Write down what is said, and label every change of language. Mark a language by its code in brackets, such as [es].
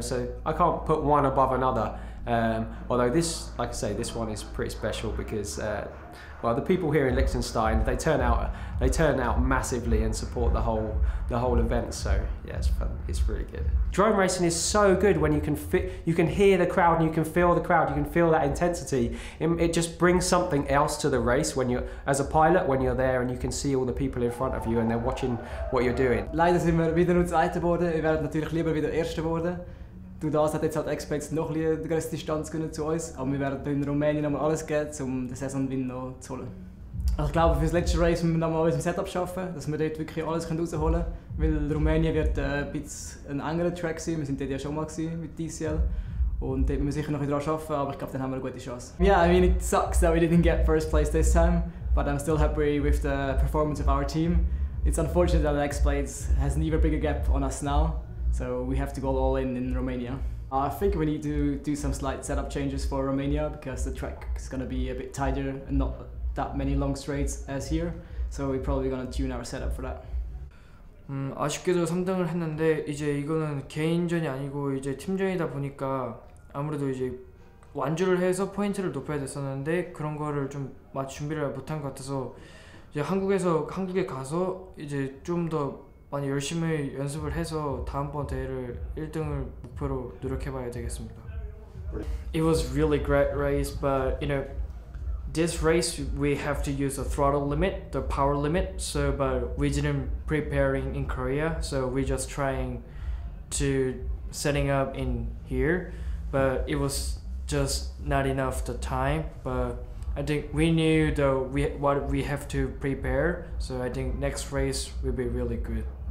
[en] So I can't put one above another. Although this, like I say, this one is pretty special because, well, the people here in Liechtenstein, they turn out massively and support the whole event. So yeah, it's fun. It's really good. Drone racing is so good when you can hear the crowd and you can feel the crowd. You can feel that intensity. It just brings something else to the race when you're as a pilot when you're there and you can see all the people in front of you and they're watching what you're doing. [de] Leider sind wir wieder nur Zweiter geworden. Wir wären natürlich lieber wieder Erster geworden. Durch das hat jetzt halt Apex noch ein bisschen die größte Distanz gewinnen zu uns. Aber wir werden in Rumänien nochmal alles geben, um den Saisonwinn noch zu holen. Also ich glaube, für das letzte Race müssen wir nochmal unser Setup schaffen, dass wir dort wirklich alles rausholen können. Weil Rumänien wird ein bisschen ein engerer Track sein. Wir sind dort ja schon mal mit DCL. Und dort müssen wir sicher noch ein bisschen dran arbeiten, aber ich glaube, dann haben wir eine gute Chance. [en] Yeah, I mean, it sucks that we didn't get first place this time. But I'm still happy with the performance of our team. it's unfortunate that X-Blades has an even bigger gap on us now, so we have to go all in Romania. I think we need to do some slight setup changes for Romania because the track is going to be a bit tighter and not that many long straights as here, so we're probably going to tune our setup for that. [ko] 아쉽게도 3등을 했는데 이제 이거는 개인전이 아니고 이제 팀전이다 보니까 아무래도 이제 완주를 해서 포인트를 높여야 됐었는데 그런 거를 좀 마치 준비를 못한 것 같아서 이제 한국에 가서 이제 좀 더 많이 열심히 연습을 해서 다음번 대회를 1등을 목표로 노력해 봐야 되겠습니다. [en] It was really great race, but you know, this race we have to use a throttle limit, the power limit, so but we didn't preparing in Korea, so we just trying to setting up in here, but it was just not enough the time, but I think we knew though what we have to prepare, so I think next race will be really good.